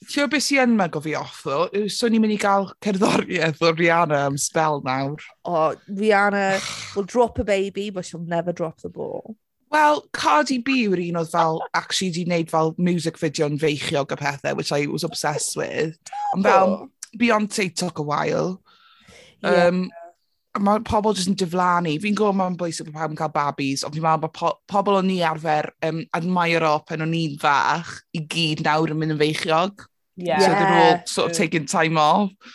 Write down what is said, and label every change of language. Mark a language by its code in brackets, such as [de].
[cy] Ti'n o beth sy'n mug o fi off, ddw? So ni'n mynd i gael cerddoriaeth o Rihanna am spell nawr. [en] Oh, Rihanna will drop a baby, but she'll never drop the ball. [cy] Well, Cardi B yw'r un oedd fel, actually, di wneud fel music video yn feichiog a pethau, [en] which I was obsessed with. [cy] Ond fel, [en] Beyonce took a while. [cy] Mae pobl jyst yn diflannu. Fi'n gwybod mae'n bwysig bod pawb yn cael babis, ond fi'n meddwl bod pobl o'n ni arfer admiro pen o'n ni'n fach i gyd nawr yn mynd yn feichiog. [en] Yeah. So they're all sort of taking time off.